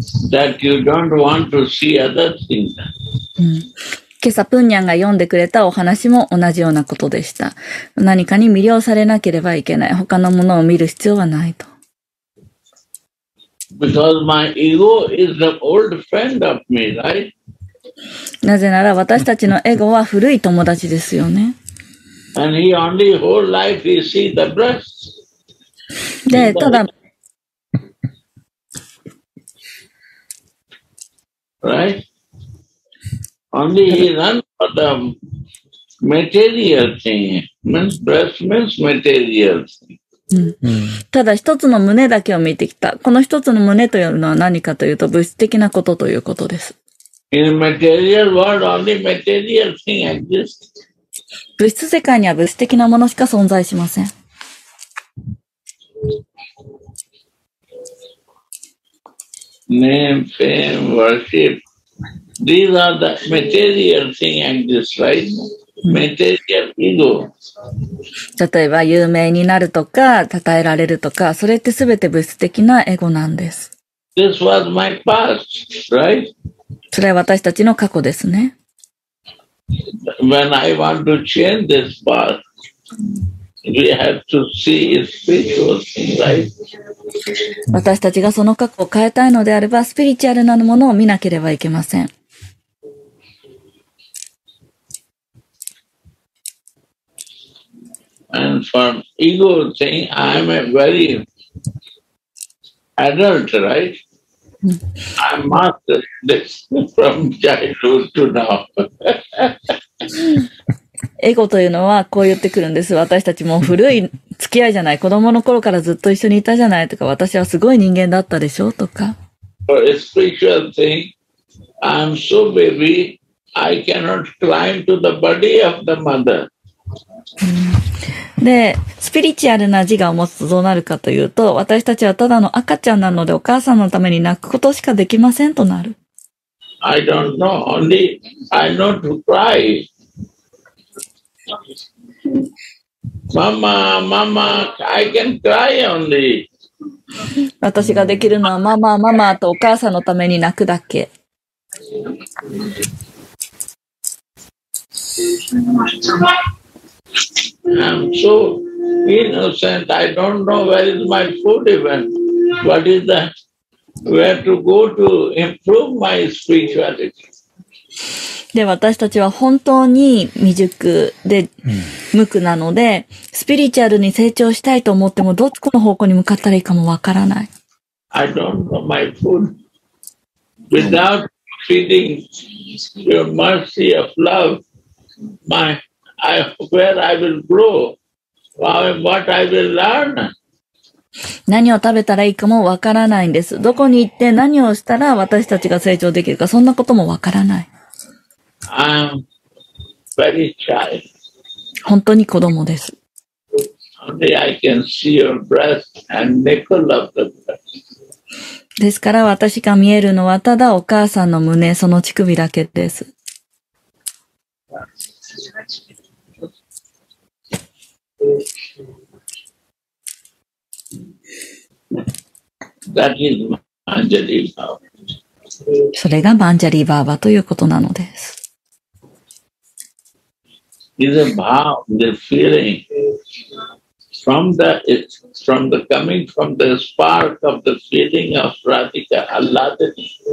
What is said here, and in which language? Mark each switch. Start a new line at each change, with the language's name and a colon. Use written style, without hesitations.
English: That you don't want to see other things.
Japanese: 今朝プンニャンが読んでくれたお話も同じようなことでした。何かに魅了されなければいけない。他のものを見る必要はないと。
English: Because my ego is the old friend of me, right?
Japanese: なぜなら私たちのエゴは古い友達ですよね。
English: And he only whole life he see the breast.
Japanese: で、ただ。
English: Right? Only he runs for the material thing. Means breast means material thing.
Japanese: ただ一つの胸だけを見てきた。この一つの胸というのは何かというと物質的なことということです。
English: In material world, only material thing exists.
Japanese: 物質世界には物質的なものしか存在しません。
English: Name, fame, worship. These are the material thing exists, right?
Japanese: 例えば有名になるとか称えられるとか、それってすべて物質的なエゴなんです。
English: This was my past, right?
Japanese: それは私たちの過去ですね。
English: When I want to change this past, we have to see its spiritual thing, right?
Japanese: 私たちがその過去を変えたいのであれば、スピリチュアルなものを見なければいけません。
English: And from ego thing, I am a very adult, right? I mastered this from childhood to now.
Japanese: エゴというのはこう言ってくるんです。私たちも古い付き合いじゃない。子供の頃からずっと一緒にいたじゃないとか、私はすごい人間だったでしょうとか。
English: For a spiritual thing, I'm so baby, I cannot climb to the body of the mother.
Japanese: で、スピリチュアルな自我を持つとどうなるかというと、私たちはただの赤ちゃんなので、お母さんのために泣くことしかできませんとなる。
English: I don't know, only I know to cry. Mama, mama, I can cry only.
Japanese: 私ができるのは、ママ、ママとお母さんのために泣くだけ。
English: I'm so innocent. I don't know where is my food even. What is the where to go to improve my spirituality?
Japanese: で、私たちは本当に未熟で無垢なので、スピリチュアルに成長したいと思っても、どっちの方向に向かったらいいかもわからない。
English: I don't know my food. Without feeding your mercy of love, my where I will grow, what I will learn.
Japanese: 何を食べたらいいかもわからないんです。どこに行って何をしたら私たちが成長できるか、そんなこともわからない。
English: I'm very child.
Japanese: 本当に子供です。
English: Someday I can see your breast and nipple of the breast.
Japanese: ですから私が見えるのはただお母さんの胸、その乳首だけです。
English: That is Manjari Baba.
Japanese: それがマンジャリーバーバということなのです。
English: Is a bow, the feeling from the coming from the spark of the feeling of Radhika Alladini.